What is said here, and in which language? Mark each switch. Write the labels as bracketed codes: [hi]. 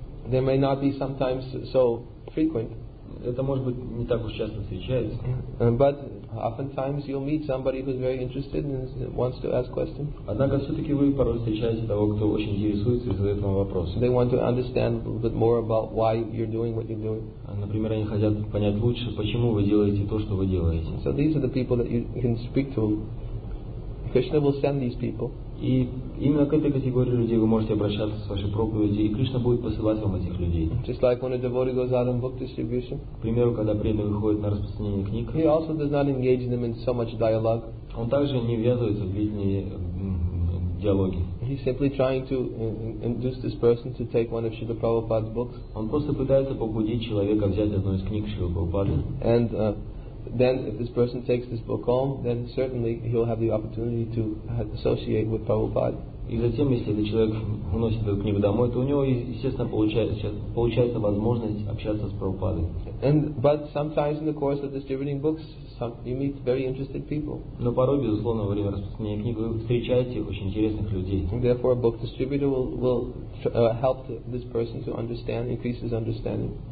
[en] They may not be sometimes so frequent. [ru] Это может быть не так уж часто встречается. [en] But oftentimes you'll meet somebody who's very interested and wants to ask questions. [ru] Однако все-таки вы порой встречаете того, кто очень интересуется и задает вам вопросы. [en] They want to understand a little bit more about why you're doing what you're doing. [ru] Например, они хотят понять лучше, почему вы делаете то, что вы делаете. [en] So these are the people that you can speak to. Krishna will send these people. [ru] И именно к этой категории людей вы можете обращаться с вашей проповедью, и Кришна будет посылать вам этих людей. [en] Just like when a devotee goes out on book distribution. [ru] К примеру, когда преданный выходит на распространение книг. [en] He also does not engage them in so much dialogue. [ru] Он также не ввязывается в длительные диалоги. [en] He's simply trying to induce this person to take one of Srila Prabhupada's books. [ru] Он просто пытается побудить человека взять одну из книг Шрилы Прабхупады. [en] And then if this person takes this book home, then certainly he'll have the opportunity to associate with Prabhupada. [ru] И затем, если этот человек уносит эту книгу домой, то у него, естественно, получается возможность общаться с Прабхупадой. [en] But sometimes in the course of distributing books, you meet very interested people. [ru] Но порой, безусловно, во время распространения книг вы встречаете очень интересных людей. [en] And therefore, a book distributor will help this person to understand, increase his understanding.